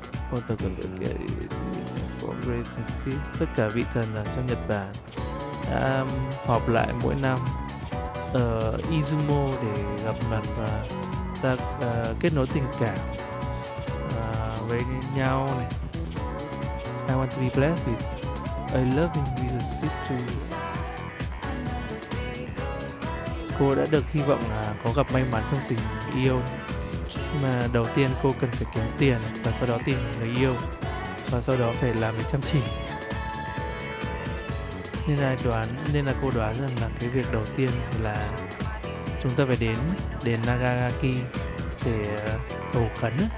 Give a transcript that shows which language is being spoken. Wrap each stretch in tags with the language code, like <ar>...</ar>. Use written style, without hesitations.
<vi>Còn tao cần được cái tất cả vị thần ở trong Nhật Bản đã họp lại mỗi năm ở Izumo để gặp mặt và ta kết nối tình cảm với nhau này.</vi> <en>I want to be blessed with a loving relationship to you.</en> <vi>Cô đã được hy vọng là có gặp may mắn trong tình yêu. Nhưng mà đầu tiên cô cần phải kiếm tiền và sau đó tìm người yêu. Và sau đó phải làm việc chăm chỉ. Nên là cô đoán rằng là cái việc đầu tiên là chúng ta phải đến đền Nagagaki để cầu khấn.</vi>